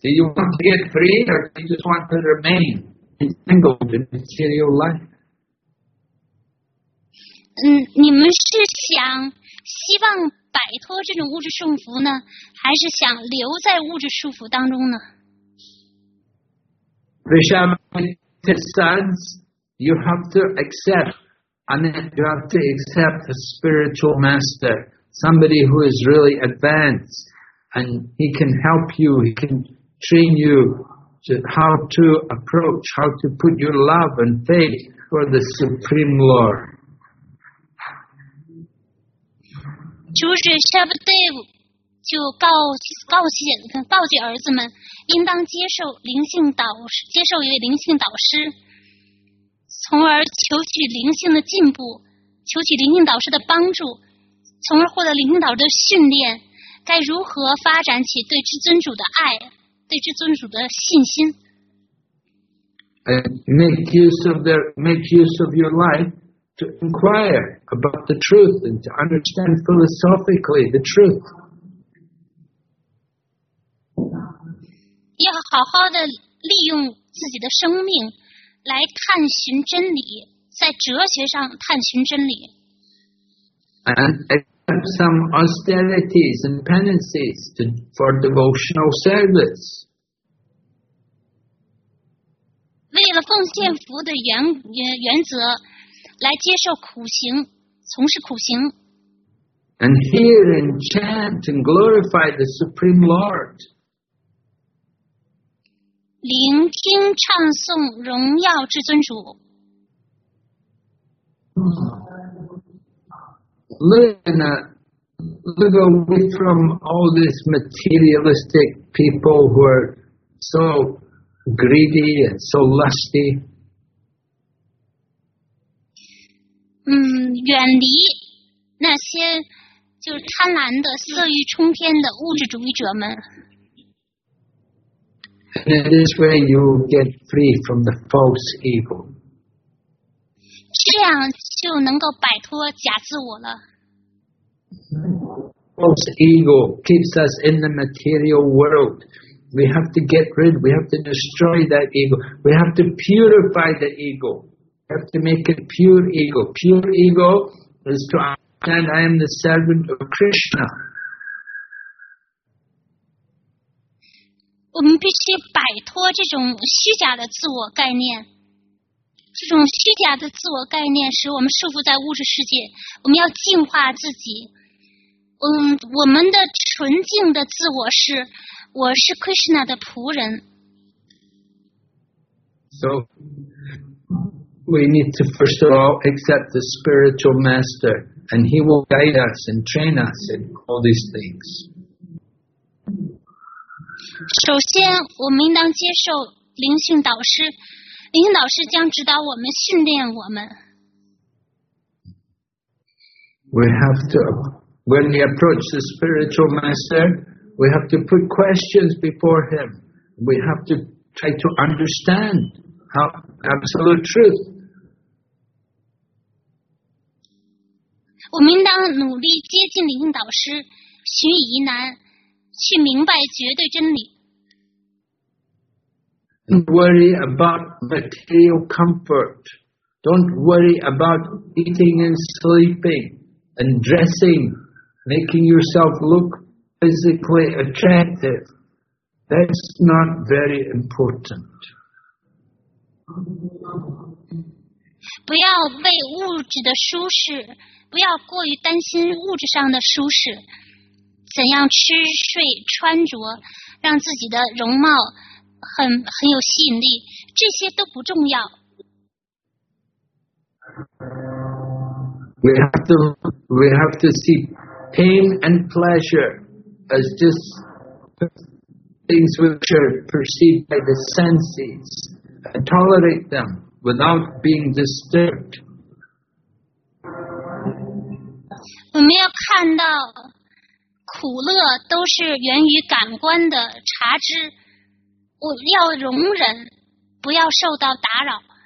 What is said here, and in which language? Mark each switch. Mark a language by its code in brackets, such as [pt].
[en] Do you want to get free or do you just want to remain entangled in material life? [zh] 你们是想希望摆脱这种物质束缚呢，还是想留在物质束缚当中呢？ [en] Vishamita's sons, you have to accept, and then you have to accept a spiritual master, somebody who is really advanced, and he can help you, he can train you to how to approach, how to put your love and faith for the Supreme Lord. [zh] 主使 Shabdev 就告诫儿子们，应当接受灵性导师，接受一位灵性导师，从而求取灵性的进步，求取灵性导师的帮助，从而获得灵性导师的训练，该如何发展起对至尊主的爱，对至尊主的信心。 [en] Make use of your life. To inquire about the truth and to understand philosophically the truth. [zh] 要好好的利用自己的生命来探寻真理，在哲学上探寻真理。 [en] And accept some austerities and penances for devotional service. [zh] 为了奉献服务的原则。来接受苦行，从事苦行。 [en] And hear and chant and glorify the Supreme Lord. [zh] 聆听唱诵荣耀至尊主。 [en] Live away from all these materialistic people who are so greedy and so lusty. [zh] 远离那些就是贪婪的、色欲冲天的物质主义者们。 [en] And in this way, you get free from the false ego. [zh] 这样就能够摆脱假自我了。 [en] False ego keeps us in the material world. We have to get rid. We have to destroy that ego. We have to purify the ego. Have to make it pure ego. Pure ego is to understand I am the servant of Krishna. [zh] 我们必须摆脱这种虚假的自我概念。这种虚假的自我概念使我们束缚在物质世界。我们要净化自己。我们的纯净的自我是，我是 Krishna 的仆人。 [en] So. We need to first of all accept the spiritual master and he will guide us and train us in all these things. [zh] 首先我们应当接受灵性导师，灵性导师将指导我们，训练我们。 [en] When we approach the spiritual master, we have to put questions before him. We have to try to understand how absolute truth. [zh] 我们应当努力接近灵性导师，寻疑难，去明白绝对真理。 [en] Don't worry about material comfort. Don't worry about eating and sleeping and dressing, making yourself look physically attractive. That's not very important. [zh] 不要为物质的舒适，不要过于担心物质上的舒适，怎样吃睡穿着，让自己的容貌很有吸引力，这些都不重要。 [en] We have to see pain and pleasure as just things which are perceived by the senses, and tolerate them without being disturbed. [zh] 我们要看到苦乐都是源于感官的察知，我要容忍，不要受到打扰。